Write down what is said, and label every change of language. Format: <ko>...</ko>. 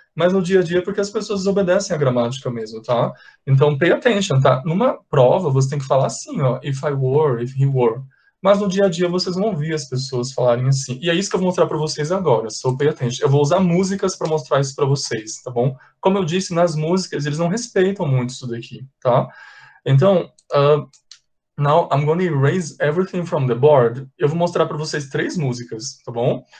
<pt>Mas no dia a dia, porque as pessoas desobedecem a gramática mesmo, tá? Então,</pt> <en>pay attention,</en> <pt>tá? Numa prova, você tem que falar assim, ó,</pt> <en>if I were, if he were.</en> <pt>Mas no dia a dia, vocês vão ouvir as pessoas falarem assim. E é isso que eu vou mostrar para vocês agora,</pt> <en>so pay attention.</en> <pt>Eu vou usar músicas para mostrar isso para vocês, tá bom? Como eu disse, nas músicas, eles não respeitam muito isso daqui, tá? Então,</pt> <en>now I'm going to erase everything from the board.</en> <pt>Eu vou mostrar para vocês três músicas, tá bom?</pt>